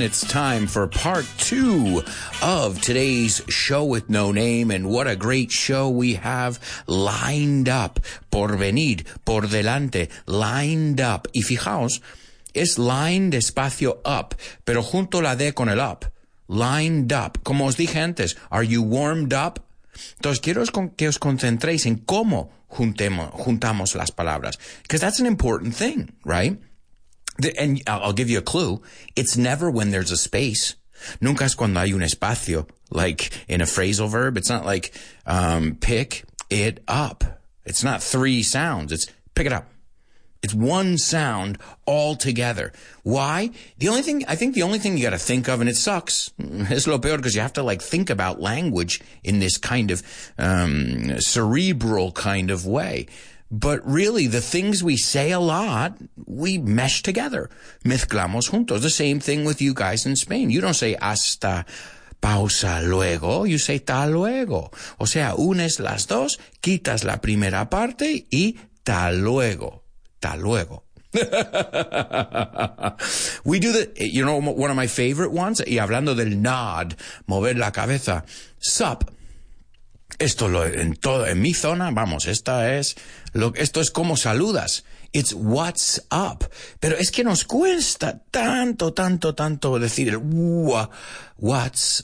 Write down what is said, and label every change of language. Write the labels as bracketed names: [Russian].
[English] It's time for part two of today's show with no name, and what a great show we have lined up. [Spanish] Por venir, por delante, lined up. Y fijaos, es lined espacio up, pero junto la D con el up. Lined up. Como os dije antes, [English] are you warmed up? [Spanish] Entonces quiero que os concentréis en cómo juntamos las palabras. [English] Because that's an important thing, right? And I'll give you a clue. It's never when there's a space. [Spanish] Nunca es cuando hay un espacio, [English] like in a phrasal verb. It's not like pick it up. It's not three sounds. It's pick it up. It's one sound all together. Why? The only thing you got to think of, and it sucks, [Spanish] es lo peor, [English] because you have to like think about language in this kind of cerebral kind of way. But really, the things we say a lot, we mesh together. [Spanish] Mezclamos juntos. [English] The same thing with you guys in Spain. You don't say [Spanish] hasta pausa luego. [English] You say tal luego. [Spanish] O sea, unes las dos, quitas la primera parte y tal luego. Tal luego. [English] We do the, you know, one of my favorite ones. [Spanish] Y hablando del nod, mover la cabeza. Sup. Esto lo, en todo, en mi zona, vamos, esta es, lo, esto es como saludas. [English] It's what's up. [Spanish] Pero es que nos cuesta tanto, tanto, tanto decir el what's.